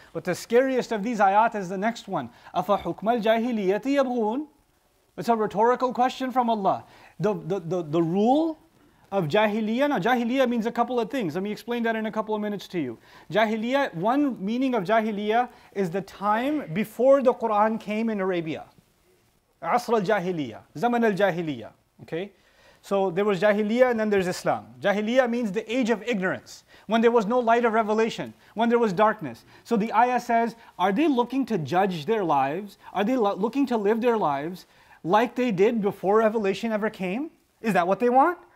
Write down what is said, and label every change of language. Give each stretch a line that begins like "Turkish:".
English: But the scariest of these ayat is the next one.
Arabic: أَفَحُكْمَ الْجَاهِلِيَّةِ يَبْغُونَ
English: It's a rhetorical question from Allah. The rule of jahiliyyah. Now jahiliyyah means a couple of things. Let me explain that in a couple of minutes to you. Jahiliyyah, one meaning of jahiliyyah is the time before the Qur'an came in Arabia.
Arabic: عَصْرَ الْجَاهِلِيَّةِ زَمَنَ الْجَاهِلِيَّةِ Okay?
English: So there was Jahiliyyah and then there's Islam. Jahiliyyah means the age of ignorance, when there was no light of revelation, when there was darkness. So the ayah says, are they looking to judge their lives? Are they looking to live their lives like they did before revelation ever came? Is that what they want?